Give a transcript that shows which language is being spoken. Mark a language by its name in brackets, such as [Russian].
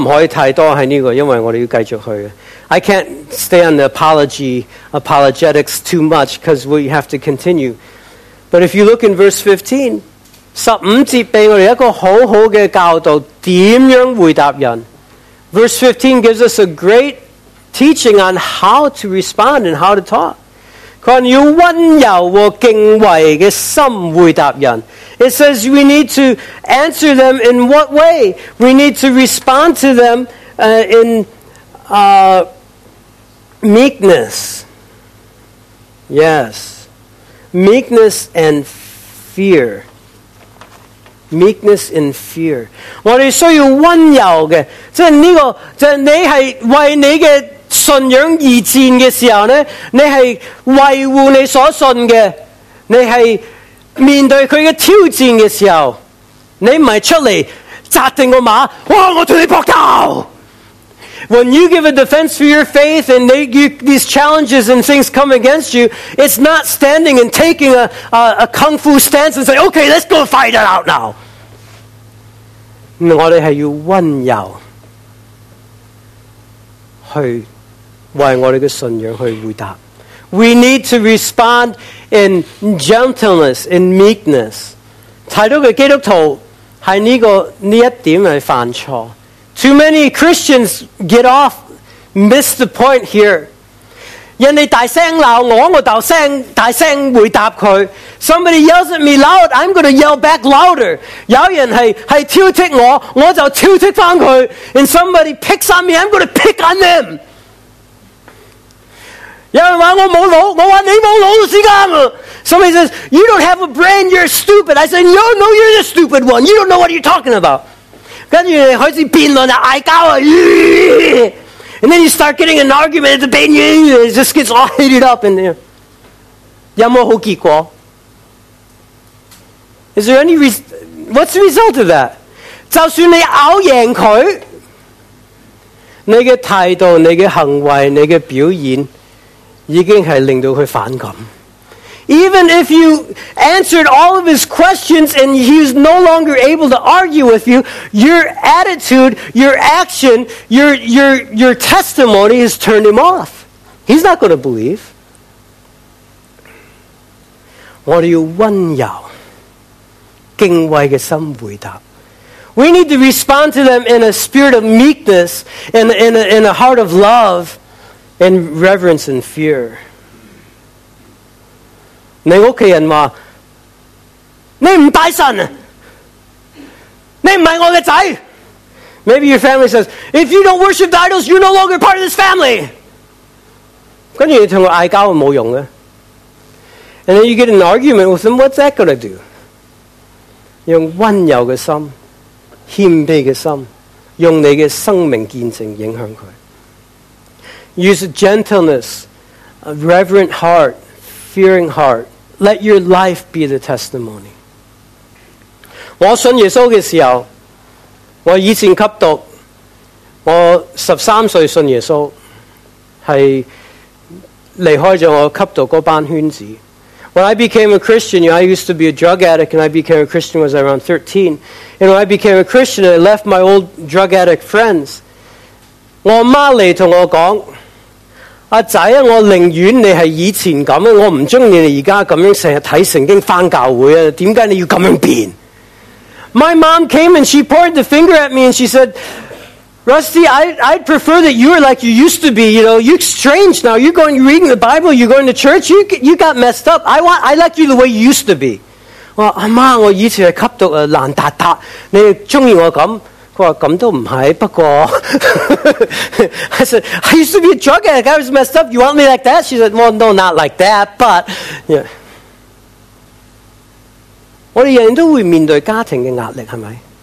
[English] I can't stay on the apologetics too much because we have to continue. But if you look in verse 15, [Cantonese] 15節俾我哋一個好好嘅教導，點樣回答人。 [English] Verse 15 gives us a great teaching on how to respond and how to talk. [Cantonese] 佢話要温柔和敬畏嘅心回答人。 [English] It says we need to answer them in what way? We need to respond to them in meekness. Yes. Meekness and fear. Meekness and fear. [Cantonese] 我哋需要温柔的，即是这个，就是你是为你的信仰而战的时候呢，你是维护你所信的，你是面对他的挑战的时候，你不是出来扎定个马，哇，我跟你搏斗。 [English] When you give a defense for your faith and these challenges and things come against you, it's not standing and taking a kung fu stance and say, okay, let's go fight it out now. [Cantonese] 我们是要温柔去为我们的信仰去回答。 [English] We need to respond in gentleness, in meekness. [Cantonese] 太多的基督徒在这一点是犯错。 [English] Too many Christians get off, miss the point here. [Cantonese] 人家大声闹我，我大声回答他。 [English] Somebody yells at me loud, I'm going to yell back louder. [Cantonese] 有人是挑剔我，我就挑剔回他。 [English] And somebody picks on me, I'm going to pick on them. [Cantonese] 有人说我没脑，我说你没脑的时间。 [English] Somebody says, you don't have a brain, you're stupid. I say, no, no, you're the stupid one. You don't know what you're talking about. [Cantonese] 跟住你开始辩论啊，嗌交啊 [English] ，and then you start getting an argument at the beginning, it just gets all heated up in there. [Cantonese] 有冇好结果 [English] ？Is there any what's the result of that? [Cantonese] 就算你拗赢佢，你嘅态度、你嘅行为、你嘅表现，已经系令到佢反感。 [English] Even if you answered all of his questions and he's no longer able to argue with you, your attitude, your action, your testimony has turned him off. He's not going to believe. [Cantonese] 我们要温柔敬畏的心回答。 [English] We need to respond to them in a spirit of meekness and in a heart of love and reverence and fear. [Cantonese] 你屋企人话你唔大神，你唔系我嘅仔。 [English] Maybe your family says, if you don't worship the idols, you're no longer part of this family. [Cantonese] 跟住你同佢嗌交冇用嘅。 [English] And then you get an argument with them, what's that going to do? [Cantonese] 用温柔嘅心、谦卑嘅心，用你嘅生命见证影响佢。 [English] Use gentleness, a reverent heart, fearing heart. Let your life be the testimony. [Cantonese] 我信耶稣的时候，我以前吸毒，我13岁信耶稣，是离开了我吸毒那班圈子。 [English] When I became a Christian, you know, I used to be a drug addict, and I became a Christian when I was around 13. And when I became a Christian, I left my old drug addict friends. [Cantonese] 我妈来跟我说，阿仔，我宁愿你是以前咁，我唔中意你而家咁样成日睇圣经翻教会啊！点解你要咁样变 [English] ？My mom came and she pointed the finger at me and she said, "Rusty, I'd prefer that you were like you used to be. You know, you're strange now. You're going reading the Bible. You're going to church. You got messed up. I like you the way you used to be." [Cantonese] 我阿媽，我以前係吸毒啊，爛達達，你中意我咁？佢話咁都唔係，不過 [English] I said, I used to be a drug addict, I was messed up. You want me like that? She said, well, no, not like that, but yeah. [Cantonese] 我哋人人都會面對家庭嘅壓力，係咪？